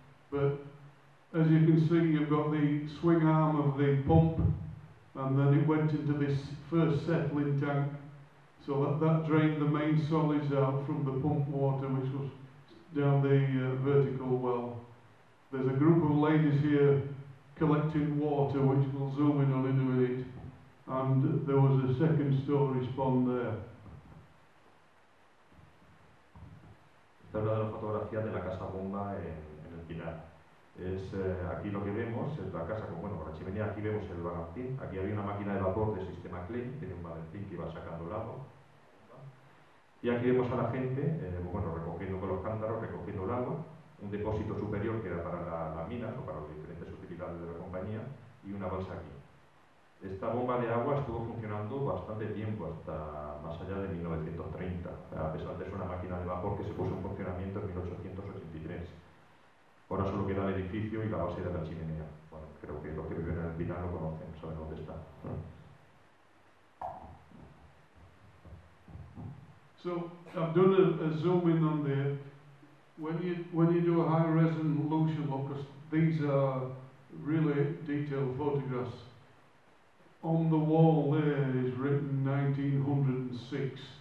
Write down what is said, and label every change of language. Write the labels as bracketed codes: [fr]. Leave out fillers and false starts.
[en] But as you can see, you've got the swing arm of the pump, and then it went into this first settling tank, so that drained the main solids out from the pump water, which was down the vertical well. There's a group of ladies here collecting water, which we'll zoom in on in a minute. And there was a second storage pond there. [es] Esta es la fotografía de la casa bomba en el Pinar. Es aquí lo que vemos, es la casa con bueno, la chimenea. Aquí vemos el balancín. Aquí había una máquina de vapor de sistema Klein, tenía un balancín que iba sacando el agua. Y aquí vemos a la gente, bueno, recogiendo con los cántaros, recogiendo el agua, un depósito superior que era para las minas o para los diferentes utilidades de la compañía, y una balsa aquí. Esta bomba de agua estuvo funcionando bastante tiempo, hasta más allá de 1930, a pesar de ser una máquina de vapor que se puso en funcionamiento en 1883. Ahora solo queda el edificio y la base de la chimenea. Bueno, creo que los que viven en el Pinar lo conocen, saben dónde está. [en] So I've done a zoom in on there. When you do a high res and motion look, because these are really detailed photographs, on the wall there is written 1906.